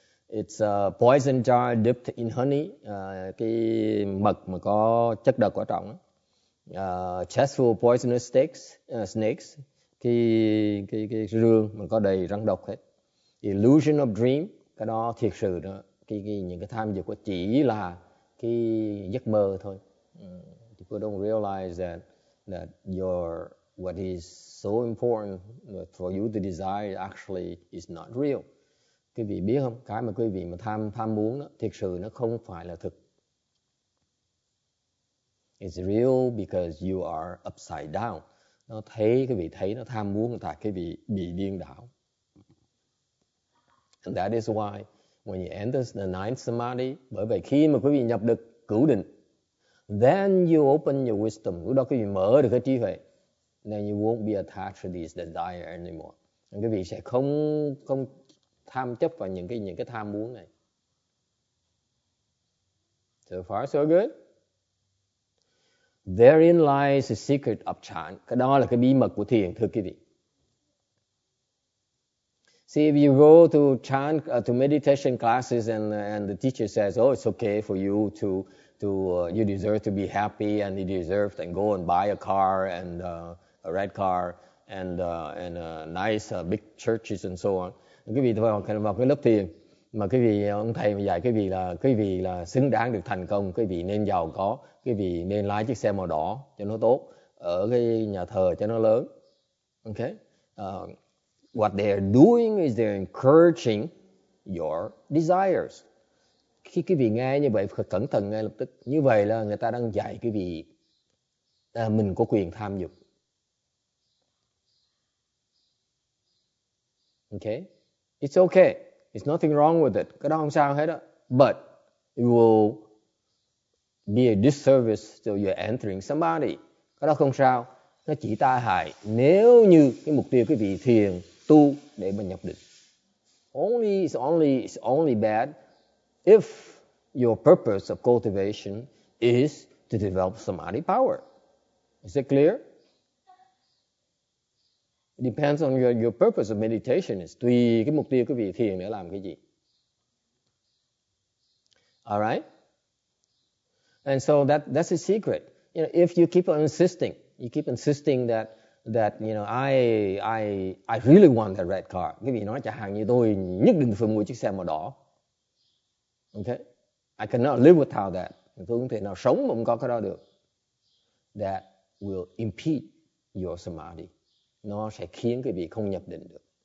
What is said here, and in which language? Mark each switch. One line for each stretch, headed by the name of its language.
English: It's a poison jar dipped in honey,
Vietnamese: cái mật mà có chất độc quá trọng.
English: Chest full of poisonous snakes,
Vietnamese: cái rương mà có đầy rắn độc hết.
English: Illusion of dream,
Vietnamese: cái đó thiệt sự đó, cái những cái tham dục của chỉ là cái giấc mơ thôi.
English: People don't realize that your what is so important for you to desire actually is not real.
Vietnamese: Quý vị biết không? Cái mà quý vị mà tham muốn đó, thiệt sự nó không phải là thực.
English: It's real because you are upside down.
Vietnamese: Nó thấy, quý vị thấy nó tham muốn là tại quý vị bị điên đảo.
English: And that is why when you enter the ninth samadhi,
Vietnamese: bởi vậy khi mà quý vị nhập được cửu định,
English: then you open your wisdom.
Vietnamese: Lúc đó quý vị mở được cái trí huệ.
English: Then you won't be attached to these desires anymore.
Vietnamese: Quý vị sẽ không tham chấp vào những cái tham muốn này.
English: So far so good. Therein lies the secret of chan.
Vietnamese: Cái đó là cái bí mật của thiền, thưa quý vị.
English: See, if you go to chan to meditation classes and the teacher says, oh, it's okay for you to you deserve to be happy and you deserve and go and buy a car and a red car and a nice big churches and so on.
Vietnamese: Quý vị vào cái lớp thiền mà quý vị ông thầy mà dạy quý vị là xứng đáng được thành công, quý vị nên giàu có, quý vị nên lái chiếc xe màu đỏ cho nó tốt, ở cái nhà thờ cho nó lớn.
English: Okay. What they are doing is they're encouraging your desires.
Vietnamese: Khi quý vị nghe như vậy cẩn thận ngay lập tức, như vậy là người ta đang dạy quý vị mình có quyền tham dục.
English: Okay, it's okay. It's nothing wrong with it.
Vietnamese: Cái đó không sao hết á.
English: But it will be a disservice to your entering somebody.
Vietnamese: Cái đó không sao. Nó chỉ tai hại nếu như cái mục tiêu quý vị thiền tu để mà nhập định.
English: It's only bad if your purpose of cultivation is to develop samadhi power. Is it clear? Depends on your purpose of meditation is
Vietnamese: tùy cái mục tiêu quý vị thiền để làm cái gì.
English: All right? And so that's a secret. You know, if you keep on insisting, that I really want that red car.
Vietnamese: Quý vị nói chẳng hạn như tôi nhất định phải mua chiếc xe màu đỏ. Okay?
English: I cannot live without that.
Vietnamese: Tôi không thể nào sống mà không có cái đó được.
English: That will impede your samadhi.
Vietnamese: Nó sẽ khiến quý vị không nhập định được.